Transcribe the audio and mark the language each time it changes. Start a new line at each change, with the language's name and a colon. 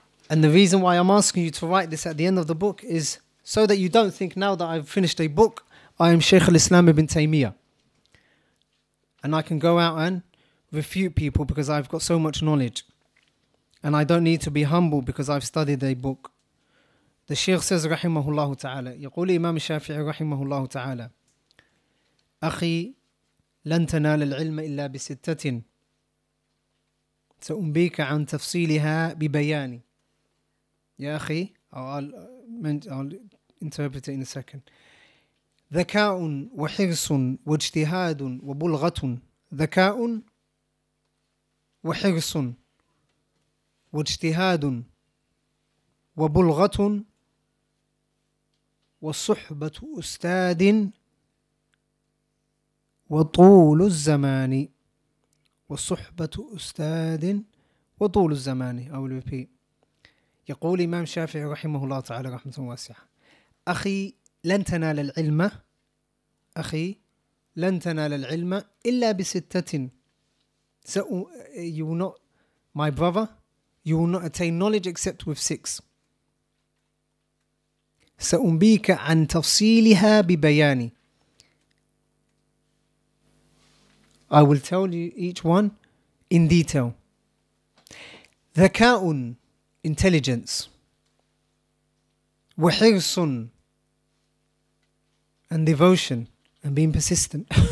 English: And the reason why I'm asking you to write this at the end of the book is so that you don't think now that I've finished a book, I am Shaykh al-Islam ibn Taymiyyah. And I can go out and refute people because I've got so much knowledge. And I don't need to be humble because I've studied a book. The Shaykh says,
Arabic: rahimahullahu ta'ala, يقول Imam Shafi'i rahimahullahu ta'ala, أخي لن تنال العلم إلا بستة سأنبيك عن تفصيلها ببياني. يا أخي,
English: I'll interpret it in a second.
Arabic: ذكاء وحرص واجتهاد وبلغة. ذكاء وحرص واجتهاد وبلغة وصحبة أستاذ وطول الزمان وصحبة أستاذ وطول الزمان. أو البي يقول إمام شافعي رحمه الله تعالى رحمة واسعة, أخي لن تنال العلم, أخي لن تنال العلم إلا بستة.
English: So you will not, my brother, you will not attain knowledge except with six.
Arabic: سأنبيك عن تفصيلها ببياني.
English: I will tell you each one in detail. ذكاء, intelligence. وحرص, and devotion, and being persistent.